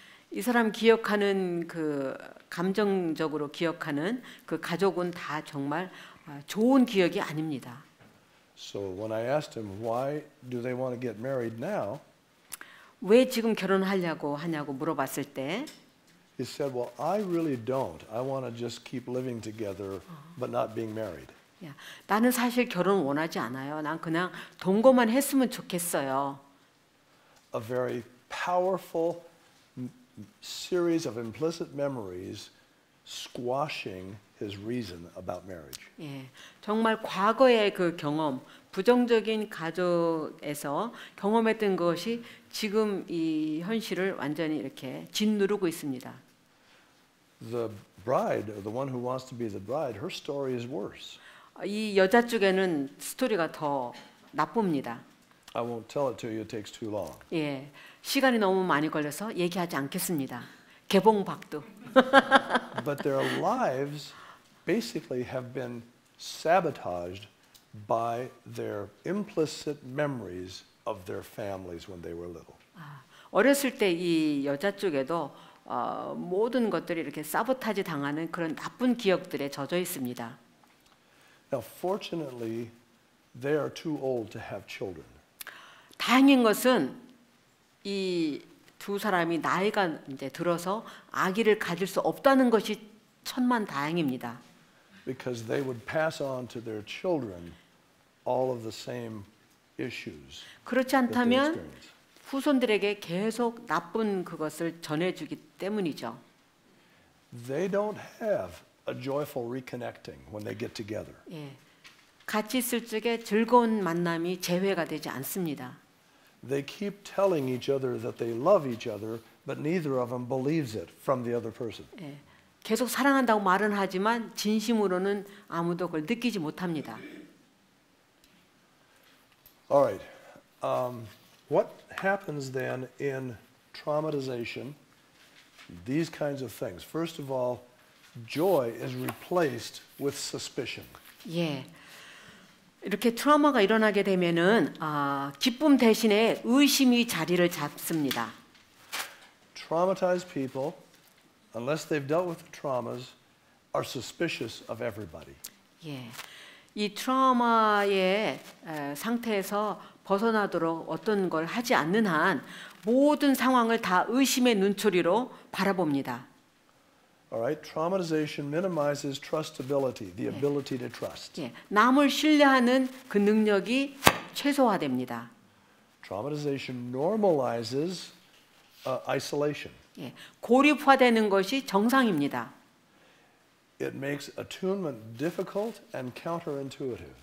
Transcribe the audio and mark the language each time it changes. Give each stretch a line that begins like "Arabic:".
Korean: 이 사람 기억하는 그 감정적으로 기억하는 그 가족은 다 정말 좋은 기억이 아닙니다.
English: So when I asked him why do they want to get married now?
Korean: 왜 지금 결혼하려고 하냐고 물어봤을 때
English: He said, "Well, I really don't. I want to just keep living together but not being married."
Korean: 야, 나는 사실 결혼 원하지 않아요. 난 그냥 동거만 했으면 좋겠어요.
English: A very powerful series of implicit memories squashing his reason about marriage.
Korean: 예. 정말 과거의 그 경험 부정적인 가족에서 경험했던 것이 지금 이 현실을 완전히 이렇게 짓누르고 있습니다.
English: The bride, the one who wants to be the bride, her story is worse.
Korean: 이 여자 쪽에는 스토리가 더 나쁩니다.
English: I won't tell it to you. It takes too long.
Korean: 예, 시간이 너무 많이 걸려서 얘기하지 않겠습니다. 개봉박두.
English: But their lives basically have been sabotaged by their implicit memories of their families when they were little.
Korean: 어렸을 때 이 여자 쪽에도 모든 것들이 이렇게 사보타지 당하는 그런 나쁜 기억들에 젖어 있습니다.
English: Now, fortunately, they are too old to have children.
Korean: 다행인 것은 이 두 사람이 나이가 이제 들어서 아기를 가질 수 없다는 것이 천만 다행입니다.
English: Because they would pass on to their children all of the same issues.
Korean: 그렇지 않다면 후손들에게 계속 나쁜 그것을 전해주기 때문이죠.
English: They don't have a joyful reconnecting when they get together.
Korean: 예, 같이 있을 적에 즐거운 만남이 재회가 되지 않습니다.
English: They keep telling each other that they love each other, but neither of them believes it from the other person.
Korean: 예. 계속 사랑한다고 말은 하지만 진심으로는 아무도 그걸 느끼지 못합니다.
English: All right. What happens then in traumatization? These kinds of things. First of all, joy is replaced with suspicion.
Korean: 예. 이렇게 트라우마가 일어나게 되면은 기쁨 대신에 의심이 자리를 잡습니다.
English: Traumatized people unless they've dealt with the traumas, are suspicious of everybody.
Korean: 예, 이 트라우마의 상태에서 벗어나도록 어떤 걸 하지 않는 한 모든 상황을 다 의심의 눈초리로 바라봅니다.
English: All right. Traumatization minimizes trustability, the ability to trust.
Korean: 예, 남을 신뢰하는 그 능력이 최소화됩니다.
English: Traumatization normalizes isolation.
Korean: 예, 고립화되는 것이 정상입니다.
English: It makes attunement difficult and counterintuitive.